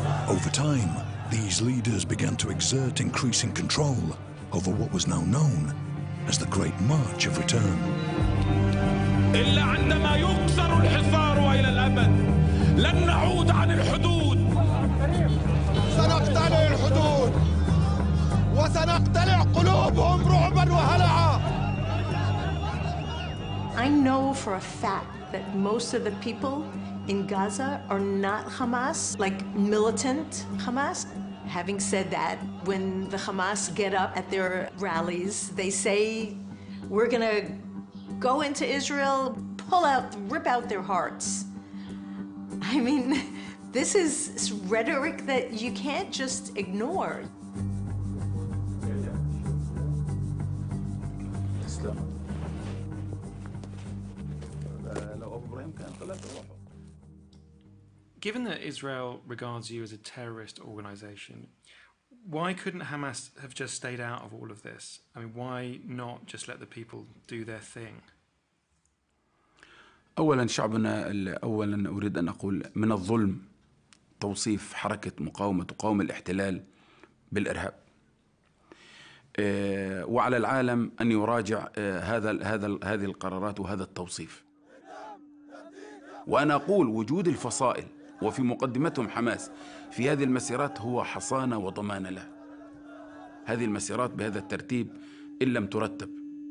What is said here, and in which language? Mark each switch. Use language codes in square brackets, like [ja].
[en] Over time, these leaders began to exert increasing control over what was now known as the Great March of Return. [ar] إلا عندما يكسر الحصار وإلى الأبد لن نعود عن الحدود سنقتلع الحدود وسنقتلع قلوبهم رعبا وهلعا. [en] I know for a fact that most of the people in Gaza are not Hamas, like militant Hamas. Having said that, when the Hamas get up at their rallies, they say, we're gonna go into Israel, rip out their hearts. I mean, this is rhetoric that you can't just ignore. Given that Israel regards you as a terrorist organization, why couldn't Hamas have just stayed out of all of this? I mean, why not just let the people do their thing? [ar] اولا شعبنا اولا اريد ان اقول من الظلم توصيف حركه مقاومه تقاوم الاحتلال بالارهاب وعلى العالم ان يراجع هذه القرارات وهذا التوصيف وانا اقول وجود الفصائل وفي مقدمتهم حماس في هذه المسيرات هو حصانه وضمانه له هذه المسيرات بهذا الترتيب ان لم ترتب